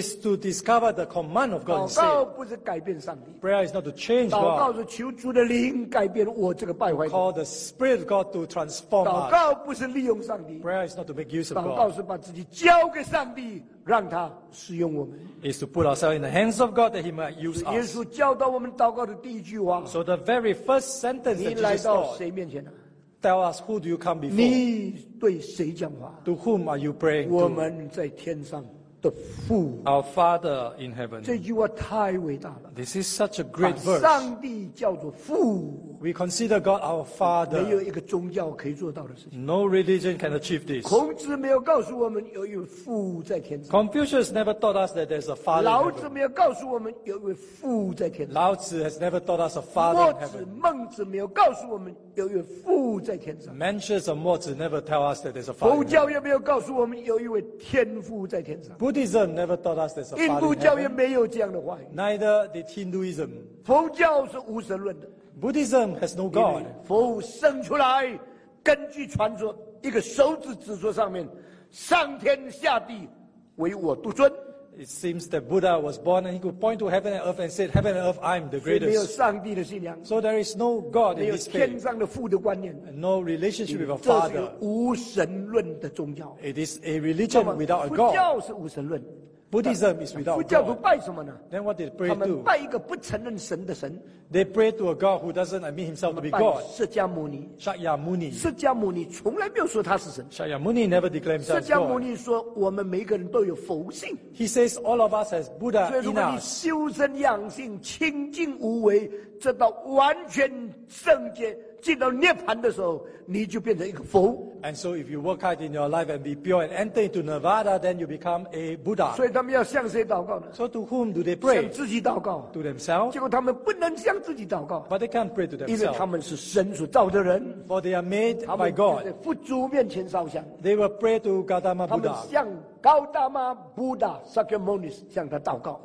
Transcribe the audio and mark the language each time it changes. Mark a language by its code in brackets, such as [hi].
[en] is to discover the command of God。 [zh] 祷告不是改变上帝， [en] prayer is not to change God。 [zh] 祷告是求主的灵改变我这个败坏的， [en] call the spirit of God to transform us。 [zh] 祷告不是利用上帝， [en] prayer is not to make use of God。 [zh] 祷告是把自己交给上帝，让他使用我们， [en] is to put ourselves in the hands of God that he might use us。 [zh] 耶稣教导我们祷告的第一句话， [en] so the very first sentence that Jesus taught， [zh] 你来到谁面前呢？ [en] Tell us who do you come before？ [zh] 你对谁讲话？ [en] To whom are you praying？ [zh] 我们在天上的父， [en] Our Father in heaven。 [zh] 这句话太伟大了， [en] This is such a great verse。 [zh] 上帝叫做父， [en] We consider God our Father。 [zh] 没有一个宗教可以做到的事情， [en] No religion can achieve this。 [zh] 孔子没有告诉我们有一位父在天上， [en] Confucius never taught us that there's a Father in heaven。 [zh] 老子没有告诉我们有一位父在天上， [en] 老子 has never taught us a Father in heaven。 [zh] 孟子没有告诉我们有一位父在天上， [en] Mencius and Mozi never tell us that there's a Father。 [zh] 佛教也没有告诉我们有一位天父在天上， [en] Buddhism never taught us there's a Father in heaven。 [zh] 印度教也没有这样的话语， [en] Neither did Hinduism。 [zh] 佛教是无神论的， [en] Buddhism has no God。 [zh] 佛生出来根据传说一个手指指出上面，上天下地唯我独尊。 [en] It seems that Buddha was born and he could point to heaven and earth and said, heaven and earth, I'm the greatest. [zh] 没有上帝的信仰， [en] so there is no God in this faith. [zh] 没有天上的父的观念， [en] and no relationship with a father. [zh] 这是无神论的宗教， [en] it is a religion without a God. [zh] 佛教是无神论， [en] Buddhism is without God. [zh] 佛教不拜什么呢？ [en] Then what did they pray to? [zh] 他们拜一个不承认神的神， [en] they pray to a God who doesn't admit himself to be God. [zh] 释迦牟尼， [en] Shakyamuni， [zh] 释迦牟尼从来没有说他是神， [en] Shakyamuni never declared himself as God. [zh] 释迦牟尼说我们每个人都有佛性， [en] he says all of us as Buddha in us. [zh] 所以如果你修身养性清净无为，直到完全圣洁进到涅槃的时候，你就变成一个佛。 [en] And so if you work hard in your life and be pure and enter into Nirvana, then you become a Buddha. [zh] 所以他们要向谁祷告呢？ [en] So to whom do they pray? [zh] 向自己祷告。 [en] To themselves. [zh] 结果他们不能向自己祷告。 [en] But they can't pray to themselves. [zh] 因为他们是神所造的人。 [en] For they are made by God. [zh] 他们在佛祖面前烧香。 [en] They will pray to Gautama Buddha. [zh] 他们向高达玛布达 Shakyamuni 向他祷告，